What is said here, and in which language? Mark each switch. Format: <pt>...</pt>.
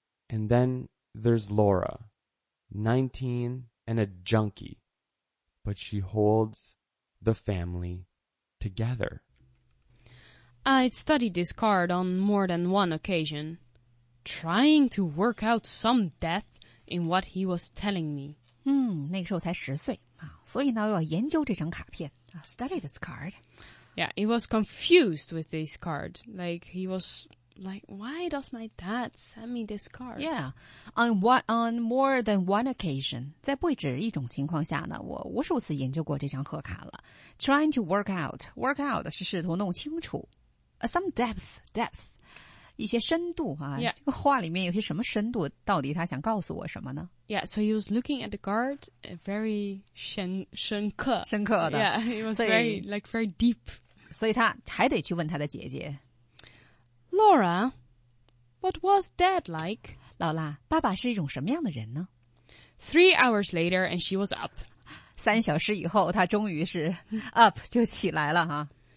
<en>And then there's Laura, 19 and a junkie, but she holds the family together. I studied this card on more than one occasion, trying to work out some depth in what he was telling me.</en> <zh>那个时候才十岁啊，所以呢，我要研究这张卡片。</zh> <en>Study this card. Yeah, he was confused with this card. Like, he was... Like, why does my dad send me this card? Yeah, on more than one occasion.</en> <zh>在不止一种情况下呢，我无数次研究过这张贺卡了。</zh> <en>Trying to work out. Work out</en> <zh>是试图弄清楚。</zh> <en>Some depth.</en> <zh>一些深度啊。</zh> <en>Yeah.</en> <zh>这个话里面有些什么深度，到底他想告诉我什么呢？</zh> <en>Yeah, so he was looking at the card, very</en> <zh>深刻。深刻的。</zh> <en>Yeah, he was very, like, very deep.</en> <zh>所以他还得去问他的姐姐。</zh> <en>Laura, what was Dad like?</en> <zh>劳拉，爸爸是一种什么样的人呢？</zh> <en>3 hours later, and she was up.</en> <zh>3小时以后，她终于是 up 就起来了哈。</zh>